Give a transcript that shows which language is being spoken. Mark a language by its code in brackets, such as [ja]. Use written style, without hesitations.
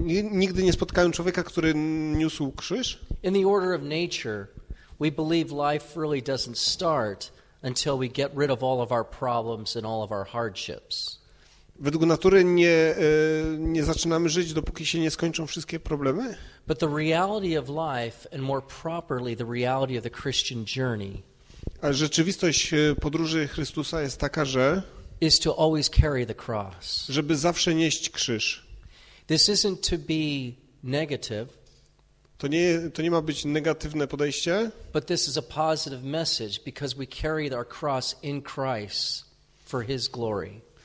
[pl] Nigdy nie spotkałem człowieka, który niósł krzyż. [en] In the order of nature, we believe life really doesn't start until we get rid of all of our problems and all of our hardships. [pl] Według natury nie zaczynamy żyć, dopóki się nie skończą wszystkie problemy. [en] But the reality of life, and more properly the reality of the Christian journey, [pl] a rzeczywistość podróży Chrystusa jest taka, że [en] is to always carry the cross. [pl] Żeby zawsze nieść krzyż. [en] This isn't to be negative. [pl] To nie ma być negatywne podejście. [en] But this is a positive message because we carry our cross in Christ for his glory.